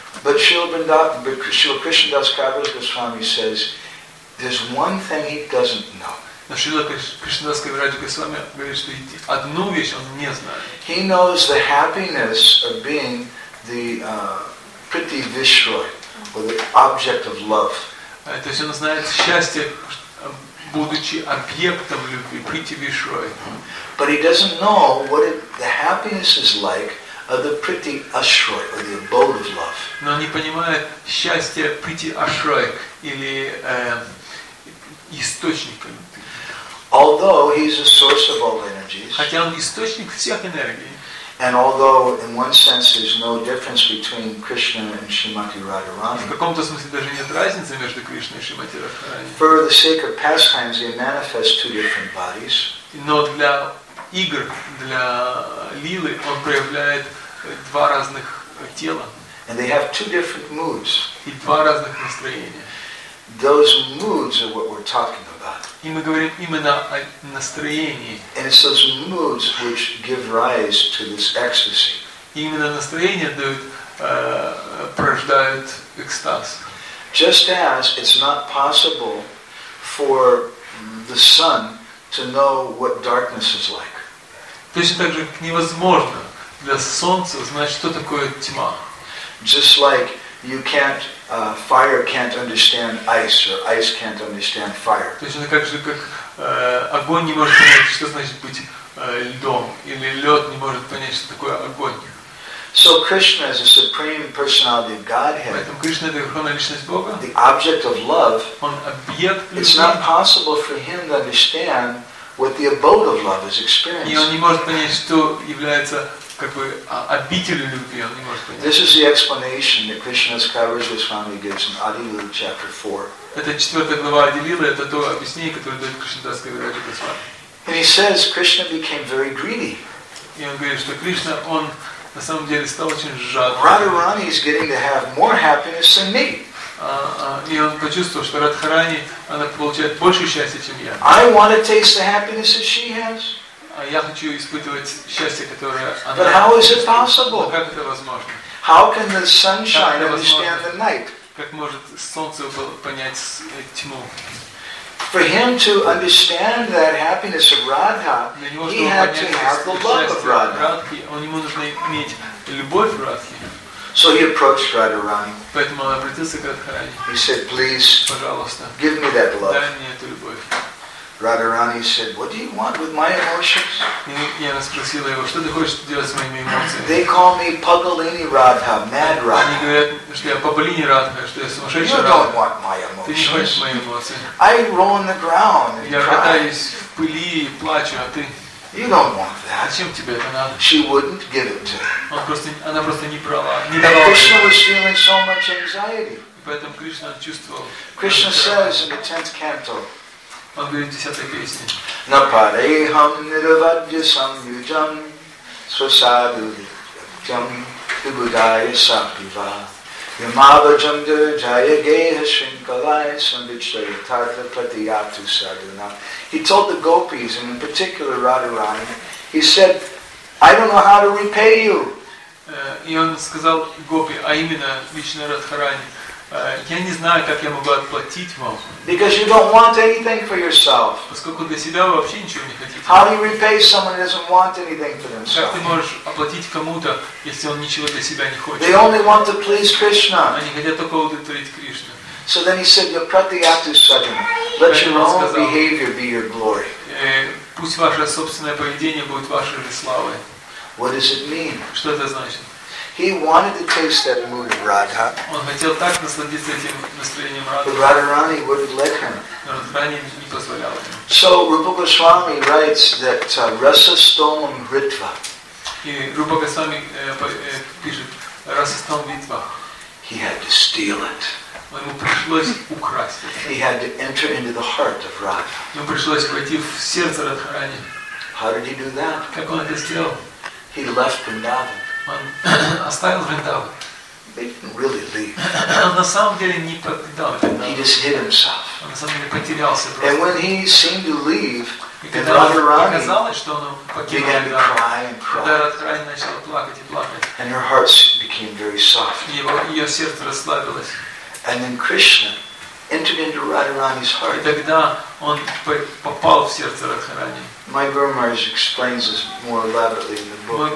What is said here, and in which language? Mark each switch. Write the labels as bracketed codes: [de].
[en] But Srila Krishnadas Kaviraj Goswami says, there's one thing he doesn't know. [ru] Но Шрила Кришнадас Кавираджа Госвами говорит, что одну вещь он не знает. [en] He knows the happiness of being the priti vishroy, or the object of love. [ru] То есть он знает счастье, будучи объектом любви, priti vishroy. [en] But he doesn't know what the happiness is like of the priti ashroy, or the abode of love. [ru] Но он не понимает счастье priti ashroy, или источника. [en] Although he's a source of all energies. [ru] Хотя он источник всех энергий. [en] And although, in one sense, there's no difference between Krishna and Srimati Radharani. [ru] В каком-то смысле даже нет разницы между Кришной и Шримати Радхарани. [en] For the sake of pastimes, they manifest two different bodies. [ru] Но для игр, для лилы, он проявляет два разных тела. [en] And they have two different moods. [ru] И два разных настроения. [en] Those moods are what we're talking about. [ru] И мы говорим именно о настроении. [en] And it's those moods which give rise to this ecstasy. [ru] И именно настроение дают, порождают экстаз. [en] Just as it's not possible for the sun to know what darkness is like. [ru] Точно так же невозможно для солнца знать, что такое тьма. [en] Just like you can't, fire can't understand ice, or ice can't understand fire. [ru] То есть это как же, как огонь не может понять, что значит быть льдом, или лед не может понять, что такое огонь. [en] So Krishna is the supreme personality of Godhead. [ru] Поэтому Кришна — это верховная личность Бога. [en] The object of love. [ru] Он объект любви. [en] It's not possible for him to understand what the abode of love is experiencing. [ru] И он не может понять, что является как бы обителю любви, он не может понять. [en] This is the explanation that Krishna's Kaviraj Goswami gives in Adilila chapter 4. [ru] Это четвертая глава Адилилы, это то объяснение, которое дает Кришнадас Кавираджа Госвами. [en] And he says Krishna became very greedy. [ru] И он говорит, что Кришна, он на самом деле стал очень жадным. [en] Radharani is getting to have more happiness than me. [ru] И он почувствовал, что Радхарани, она получает больше счастья, чем я. [en] I want to taste the happiness that she has. [ru] Я хочу испытывать счастье, которое она. [en] But how is it possible? [ru] Как это возможно? [en] How can the sunshine understand the night? [ru] Как может солнце понять тьму? [en] For him to understand that happiness of Radha, he had to have the love of Radha. [ru] Он ему нужно иметь любовь Радхи. [en] So he approached Radharani. [ru] Поэтому он обратился к Радхарани. [en] He said, please, [ru] пожалуйста, [en] give me that love. [ru] Дай мне эту любовь. [en] Radharani said, what do you want with my emotions? [ru] Я спросила его, что ты хочешь делать с моими эмоциями? [en] They call me Pagalini Radha, mad Radha. [ru] Они говорят, что я Пагалини Радха, что я сумасшедший [en] Радха. You don't want my emotions. [ru] Ты не хочешь мои эмоции. [en] I roll on the ground and [ru] я [en] cry. [ru] Я катаюсь в пыли и плачу, а ты? [en] You don't want that. [ru] Зачем тебе это надо? [en] She wouldn't give it to him. [ru] Она просто не права, не давала. [en] Krishna was feeling so much anxiety. [ru] И поэтому Кришна чувствовал. [en] Krishna says in the 10th canto, [ru] он говорит в 10-й песне. [sa] На парейхам нирвадья сам юджам сва саду джам тибудайя сапива Yamabhajandu jaya geha shrinkalaya sambhichari tartha patiyatu sadhana. [en] He told the gopis, and in particular Radharani, he said, I don't know how to repay you. [ru] И он сказал гопи, а именно лично Радхарани, я не знаю, как я могу отплатить вам. [en] Because you don't want anything for yourself. [ru] Поскольку для себя вы вообще ничего не хотите. [en] How do you repay someone who doesn't want anything for themselves? [ru] Как ты можешь оплатить кому-то, если он ничего для себя не хочет? [en] They only want to please Krishna. [ru] Они хотят только удовлетворить Кришну. [en] So then he said, your pratyatu sadhana, let your own behavior be your glory. [ru] Пусть ваше собственное поведение будет вашей славой. [en] What does it mean? [ru] Что это значит? [en] He wanted to taste that mood of Radha. [ru] Он хотел так насладиться этим настроением Радха. [en] But Radharani wouldn't let him. [ru] Радхарани не позволял ему. [en] So Rupa Goswami writes that [sa] rasa stomam ritva. [ru] И Рупа Госвами пишет [sa] rasa stomam ritva. [en] He had to steal it. [ru] Ему пришлось украсть это. [en] He had to enter into the heart of Radha. [ru] Ему пришлось войти в сердце Радхарани. [en] How did he do that? [ru] Как он это сделал? [en] He left Vrindavan. [ru] Он оставил Вриндаву. [en] They didn't really leave. [ru] На самом деле не покидал. [en] He just hid himself. [ru] Он на самом деле потерялся просто. [en] And when he seemed to leave, [ru] казалось, что он покинул Вриндаву. Когда Радхарани начала плакать и плакать. [en] And her heart became very soft. [ru] Ее сердце расслабилось. [en] And then Krishna entered into Radharani's heart. [ru] Тогда он попал в сердце Радхарани. [en] My Guru Maharaj explains this more elaborately in the book